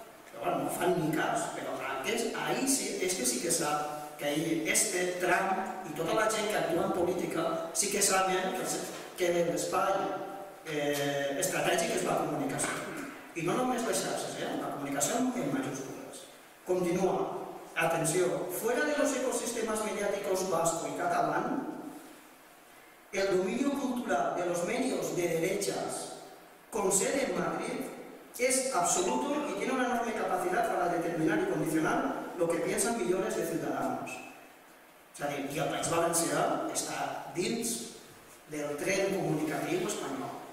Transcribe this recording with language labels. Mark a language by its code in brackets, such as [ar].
[ca] Però bueno, no fan ni cas, però antes, ahí sí, és que sí que sap que ahí este Trump i tota la gent que actua en política sí que saben que en l'espai estratègic és la comunicació. I no només les xarxes, la comunicació en majúscules. Continua. Atenció. [es] Fuera de los ecosistemas mediáticos vasco y catalán, el dominio cultural de los medios de derechas con sede en Madrid es absoluto y tiene una enorme capacidad para determinar y condicionar lo que piensan millones de ciudadanos. [ca] És a dir, i el País Valencià està dins del tren comunicatiu espanyol.